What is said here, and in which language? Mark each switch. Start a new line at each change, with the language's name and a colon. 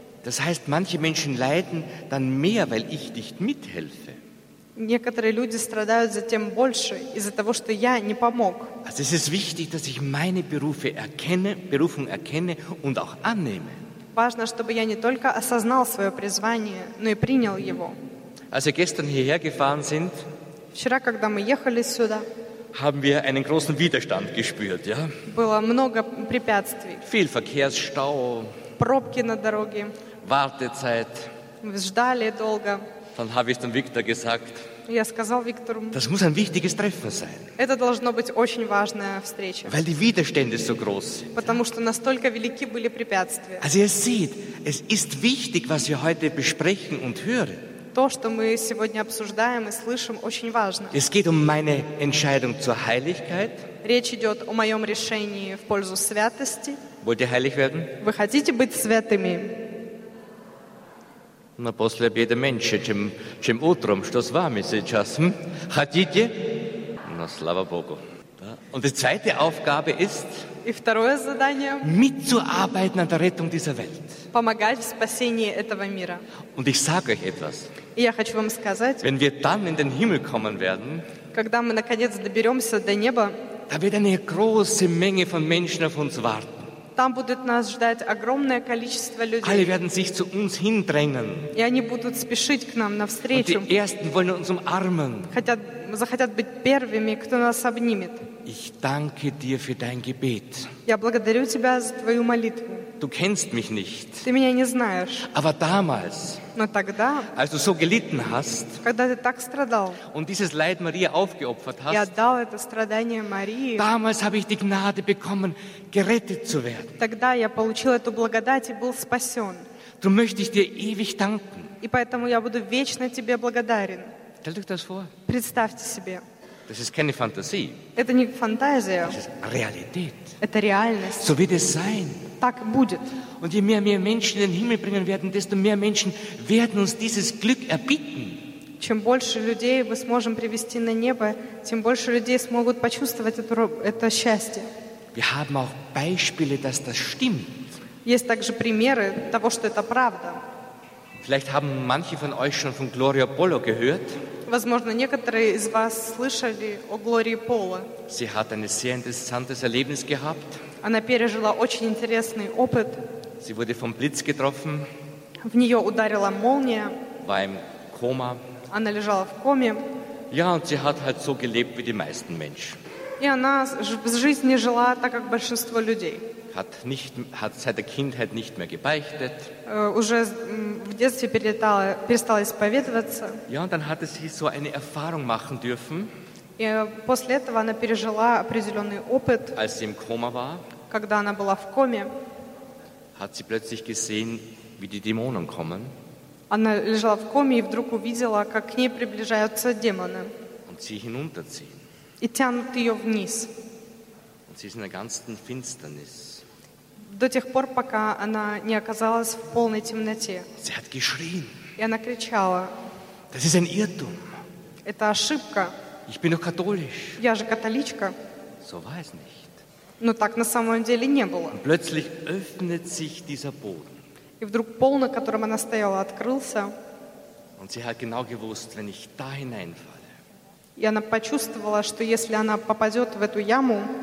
German: Das heißt, manche Menschen leiden dann mehr, weil ich nicht mithelfe.
Russian: Некоторые люди страдают затем больше из-за того, что я не помог.
German: Also es ist wichtig, dass ich meine Berufe erkenne, Berufung erkenne und auch annehme.
Russian: Важно, чтобы я не только осознал свое призвание, но и принял его.
German: Als wir gestern hierher gefahren sind,
Russian: вчера, когда мы ехали сюда,
German: haben wir einen großen Widerstand gespürt, ja?
Russian: Было много препятствий.
German: Viel Verkehrsstau,
Russian: пробки на дороге,
German: Wartezeit. Wir
Russian: ждали долго.
German: Dann habe ich dem Viktor gesagt,
Russian: я сказал Виктору,
German: das muss ein wichtiges Treffen sein.
Russian: Это должно быть очень важная встреча.
German: Weil die Widerstände so groß sind.
Russian: Потому что настолько велики были препятствия.
German: Also ihr seht, es ist wichtig, was wir heute besprechen und hören.
Russian: То, что мы сегодня обсуждаем и слышим, очень важно.
German: Es geht um meine Entscheidung zur Heiligkeit.
Russian: Речь идет о моем решении в пользу святости.
German: Wollt ihr heilig werden?
Russian: Вы хотите быть святыми? Но после обеда меньше, чем утром, что с вами сейчас? Хотите? Но слава Богу. Да.
German: Und die zweite Aufgabe ist,
Russian: и второе задание,
German: mitzuarbeiten an der Rettung dieser Welt.
Russian: Помогать в спасении этого мира.
German: Und ich sage euch etwas.
Russian: И я хочу вам сказать,
German: wenn wir dann in den Himmel kommen werden,
Russian: когда мы наконец доберемся до неба,
German: da wird eine große Menge von Menschen auf uns warten.
Russian: Там будет нас ждать огромное количество людей.
German: Alle werden sich zu uns hindrängen.
Russian: И они будут спешить к нам навстречу.
German: Und die ersten wollen uns umarmen.
Russian: Захотят быть первыми, кто нас обнимет.
German: Ich danke dir für dein Gebet.
Russian: Я благодарю тебя за твою молитву.
German: Du kennst mich nicht.
Russian: Ты меня не знаешь.
German: Aber damals,
Russian: но тогда,
German: als du so gelitten hast,
Russian: когда ты так страдал,
German: und dieses Leid Maria aufgeopfert hast,
Russian: я отдал это страдание Марии,
German: damals habe ich die Gnade bekommen, gerettet zu werden.
Russian: Тогда я получил эту благодать и был спасен.
German: Darum möchte ich dir ewig danken.
Russian: И поэтому я буду вечно тебе благодарен.
German: Stell dir das vor.
Russian: Представьте себе.
German: Das ist keine Fantasie.
Russian: Это не фантазия.
German: Das ist Realität.
Russian: Это реальность.
German: So wird es sein.
Russian: Так будет.
German: Und je mehr Menschen in den Himmel bringen werden, desto mehr Menschen werden uns dieses Glück erbitten.
Russian: Чем больше людей мы сможем привести на небо, тем больше людей смогут почувствовать это счастье.
German: Wir haben auch Beispiele, dass das stimmt.
Russian: Есть также примеры того, что это правда.
German: Vielleicht haben manche von euch schon von Gloria Polo gehört.
Russian: Возможно, некоторые из вас слышали о Глории Поло.
German: Sie hat ein sehr interessantes Erlebnis gehabt.
Russian: Она пережила очень интересный опыт.
German: Sie wurde vom Blitz getroffen.
Russian: В нее ударила молния.
German: War im Koma.
Russian: Она лежала в коме.
German: Ja, und sie hat halt so gelebt wie die meisten Menschen.
Russian: И она в жизни жила так, как большинство людей.
German: Hat seit der Kindheit nicht mehr gebeichtet.
Russian: Уже в детстве перестала исповедоваться.
German: Ja, und dann hatte sie so eine Erfahrung machen dürfen.
Russian: И после этого она пережила определенный опыт.
German: Als sie im Koma war,
Russian: когда она была в коме,
German: hat sie plötzlich gesehen, wie die Dämonen kommen.
Russian: Она лежала в коме и вдруг увидела, как к ней приближаются демоны.
German: Und sie hinunterziehen.
Russian: И тянут ее вниз.
German: Und sie ist in der ganzen Finsternis.
Russian: До тех пор, пока она не оказалась в полной темноте.
German: Sie hat geschrien.
Russian: И она кричала.
German: Das ist ein Irrtum.
Russian: Это ошибка.
German: Ich bin doch katholisch.
Russian: Я же католичка.
German: So war es nicht.
Russian: Но так на самом деле не было.
German: Und plötzlich öffnet sich dieser Boden.
Russian: И вдруг пол, на котором она стояла, открылся.
German: Und sie hat genau gewusst, wenn ich da hineinfalle.
Russian: И она почувствовала, что если она попадет в эту яму,